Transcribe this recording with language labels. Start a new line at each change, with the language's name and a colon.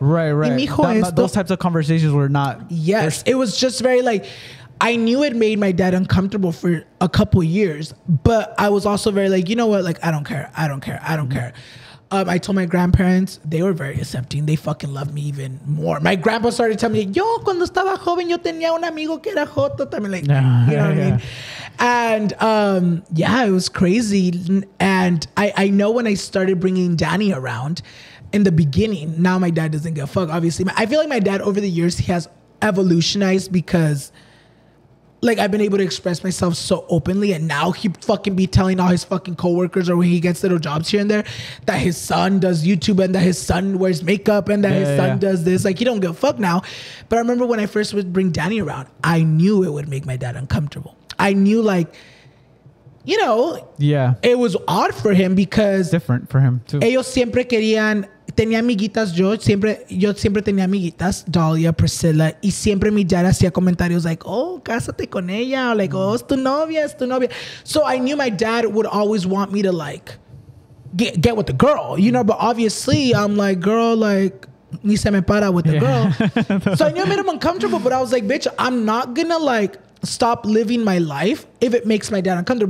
English: Right, right.
Spanish: Y mijo that, esto.
English: Those types of conversations were not. Yes, it was just very like, I knew it made my dad uncomfortable for a couple years, but I was also very like, you know what? Like, I don't care. I don't care. I don't care. I told my grandparents, they were very accepting. They fucking loved me even more. My grandpa started telling me,
Spanish: yo, cuando estaba joven, yo tenía un amigo que era joto.
English: I mean, like, yeah, you know what I mean? And yeah, it was crazy. And I know when I started bringing Danny around in the beginning, now my dad doesn't give a fuck, obviously. I feel like my dad, over the years, he has evolutionized because, like, I've been able to express myself so openly, and now he fucking be telling all his fucking coworkers or when he gets little jobs here and there that his son does YouTube and that his son wears makeup and that does this. Like, he don't give a fuck now. But I remember when I first would bring Danny around, I knew it would make my dad uncomfortable. I knew, like, you know, it was odd for him because different for him too.
Spanish: Ellos siempre querían. Tenía amiguitas, yo siempre tenía amiguitas, Dahlia, Priscilla, y siempre mi dad hacía comentarios like, oh, cásate con ella, or like, oh, es tu novia.
English: So I knew my dad would always want me to, like, get with the girl, you know, but obviously I'm like, girl, like,
Spanish: ni se me para
English: with the girl. So I knew it made him uncomfortable, but I was like, bitch, I'm not gonna, like, stop living my life if it makes my dad uncomfortable.